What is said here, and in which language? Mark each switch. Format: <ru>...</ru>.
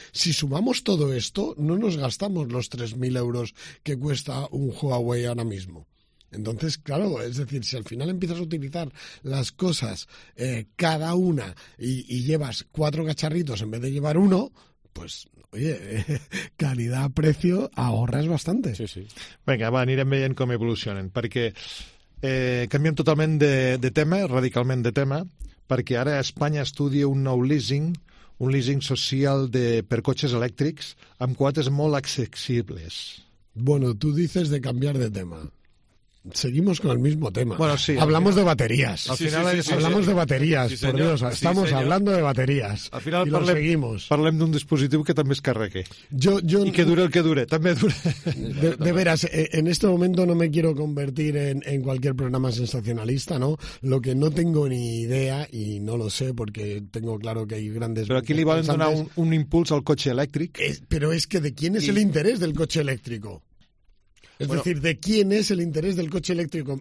<es>Si sumamos todo esto, no nos gastamos los 3.000 euros que cuesta un Huawei ahora mismo. Entonces, claro, es decir, si al final empiezas a utilizar las cosas cada una y llevas cuatro cacharritos en vez de llevar uno, pues, oye, calidad-precio ahorras bastante. Sí, sí.</es> <ca>Venga, va, anirem veient com evolucionen, perquè canviem totalment de tema, radicalment de tema, perquè ara Espanya estudia un nou leasing, un leasing social per cotxes elèctrics amb quotes molt accessibles.</ca> <es>Bueno, tú dices de cambiar de tema. Seguimos con el mismo tema. Bueno, sí. Hablamos de baterías. Al final hablamos de baterías, por Dios. Estamos hablando de baterías. Al final seguimos.</es> <ca>Parlem d'un dispositiu que també es carregue.</ca> <es>Yo</es> <ca>y que dure el que dure, també dure.</ca> <es>De veras, en este momento no me quiero convertir en cualquier programa sensacionalista, ¿no? Lo que no tengo ni idea y no lo sé porque tengo claro que hay grandes. Pero aquí le iban a dar un impulso al coche eléctrico. Pero es que ¿de quién es el interés del coche eléctrico? Es bueno, decir, ¿de quién es el interés del coche eléctrico?</es>